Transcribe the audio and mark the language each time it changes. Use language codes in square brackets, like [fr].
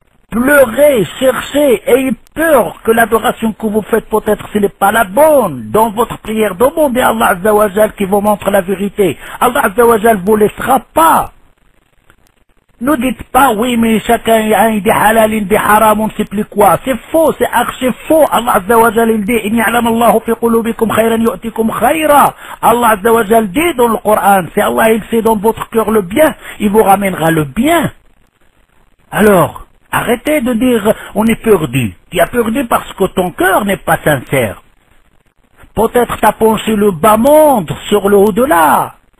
[fr] Pleurez, cherchez, ayez peur que l'adoration que vous faites, peut-être, ce n'est pas la bonne. Dans votre prière, demandez à Allah Azza wa Jal qui vous montre la vérité. Allah Azza wa Jal ne vous laissera pas. Ne dites pas, oui, mais chacun a un des halal, un des haram, on ne sait plus quoi. C'est faux, c'est archi faux. [ar] Allah Azza wa Jal dit, إِنْ يَعْلَمَ اللَّهُ فِي قُلُوبِكُمْ خَيْرًا يُؤْتِكُمْ خَيْرًا. [fr] Allah Azza wa Jal dit dans le Coran, si Allah il sait dans votre cœur le bien, il vous ramènera le bien. Alors, arrêtez de dire, on est perdu. Tu as perdu parce que ton cœur n'est pas sincère. Peut-être t'as penché le bas monde sur le au-delà.